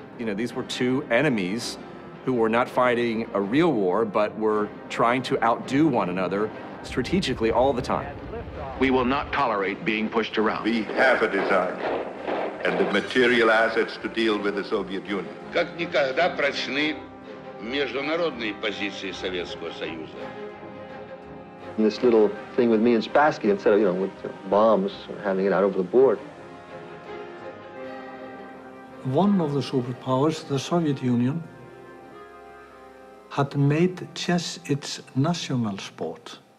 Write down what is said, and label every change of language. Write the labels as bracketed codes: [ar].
[en] You know, these were two enemies who were not fighting a real war, but were trying to outdo one another strategically all the time. We will not tolerate being pushed around. We have a design and the material assets to deal with the Soviet Union. [ru] Как никогда прочны международные позиции Советского Союза. [en] And this little thing with me and Spassky, instead of, you know, with bombs, handing it out over the board. One of the superpowers, the Soviet Union, had made chess its national sport.